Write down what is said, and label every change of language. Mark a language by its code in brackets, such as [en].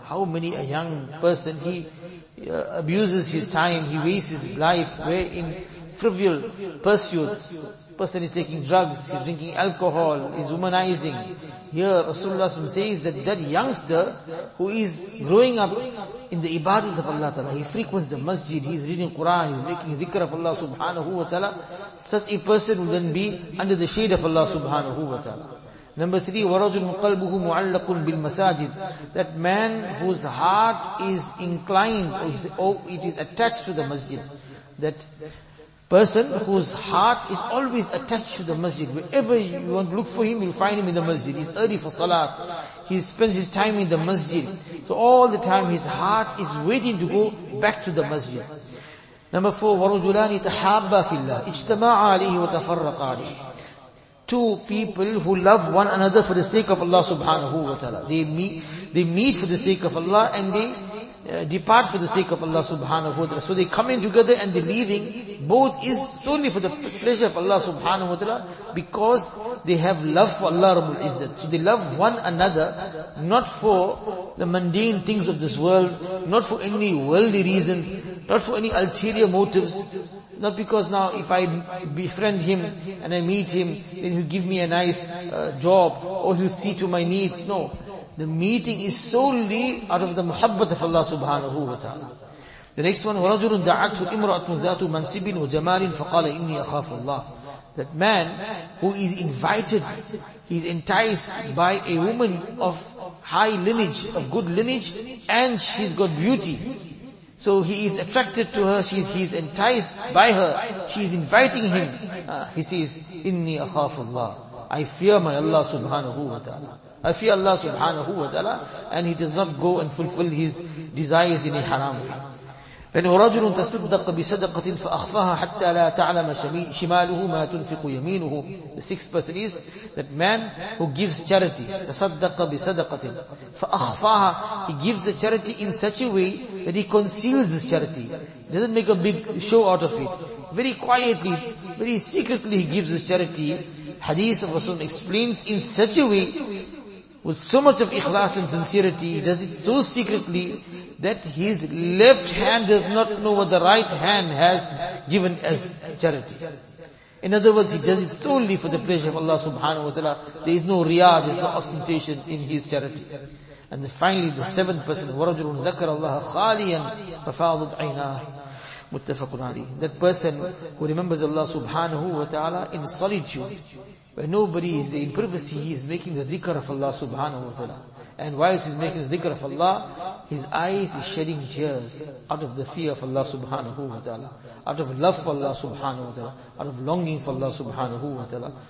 [en] How many a young person, he abuses his time, he wastes his life, where in trivial pursuits, person is taking drugs, he's drinking alcohol, he's womanizing. Here Rasulullah says that that youngster who is growing up in the ibadat of Allah ta'ala, he frequents the masjid, he's reading Quran, he's making dhikr of Allah subhanahu wa ta'ala, such a person will then be under the shade of Allah subhanahu wa ta'ala. Number 3, [ar] وَرَجُلٌ قَلْبُهُ مُعَلَّقٌ بِالْمَسَاجِدِ. [en] That man whose heart is inclined, or it is attached to the masjid. That person whose heart is always attached to the masjid. Wherever you want to look for him, you'll find him in the masjid. He's early for salat. He spends his time in the masjid. So all the time his heart is waiting to go back to the masjid. Number 4, [ar] وَرَجُلَانِ تَحَابَّ فِي اللَّهِ اِجْتَمَعَ عَلِيهِ وَتَفَرَّقَ عَلِيهِ. [en] 2 people who love one another for the sake of Allah subhanahu wa ta'ala. They meet for the sake of Allah and they depart for the sake of Allah subhanahu wa ta'ala. So they coming together and the leaving, both is solely for the pleasure of Allah subhanahu wa ta'ala, because they have love for Allah Rabbul Izzat. So they love one another, not for the mundane things of this world, not for any worldly reasons, not for any ulterior motives. Not because now if I befriend him and I meet him, then he'll give me a nice job or he'll see to my needs. No. The meeting is solely out of the muhabbat of Allah subhanahu wa ta'ala. The next one, [ar] وَرَجُلٌ دَعَتْهُ إِمْرَأَةٌ ذَاتُ مَنْسِبٍ وَجَمَالٍ فَقَالَ إِنِّي أَخَافُ اللَّهِ. [en] That man who is invited, he is enticed by a woman of high lineage, of good lineage, and she's got beauty. So he is attracted to her, he is enticed by her, she is inviting him. [ar] He says, إِنِّي أَخَافُ اللَّهِ. [en] I fear my Allah subhanahu wa ta'ala. I fear Allah subhanahu wa ta'ala, and he does not go and fulfill his desires in a haram. [ar] And وَرَجُلٌ تَصَدَّقَ بِصَدَقَةٍ فَأَخْفَاهَا حَتَّى لَا تَعْلَمَ شِمَالُهُ مَا تُنْفِقُ يَمِينُهُ. [en] The sixth person is that man who gives charity. [ar] تَصَدَّقَ بِصَدَقَةٍ فَأَخْفَاهَا. [en] He gives the charity in such a way that he conceals his charity. Doesn't make a big show out of it. Very quietly, very secretly he gives his charity. Hadith of Rasul explains in such a way, with so much of ikhlas and sincerity, he does it so secretly that his left hand does not know what the right hand has given as charity. In other words, he does it solely for the pleasure of Allah subhanahu wa ta'ala. There is no riyah, there is no ostentation in his charity. And then finally, the seventh person, [ar] وَرَجُلٌ ذَكَرَ اللَّهَ خَالِيًا فَفَاضَتْ عَيْنَاهُ مُتَّفَقٌ عَلَيْهِ. [en] That person who remembers Allah subhanahu wa ta'ala in solitude, where nobody is there, in privacy, he is making the dhikr of Allah subhanahu wa ta'ala. And whilst he is making the dhikr of Allah, his eyes is shedding tears out of the fear of Allah subhanahu wa ta'ala, out of love for Allah subhanahu wa ta'ala, out of longing for Allah subhanahu wa ta'ala.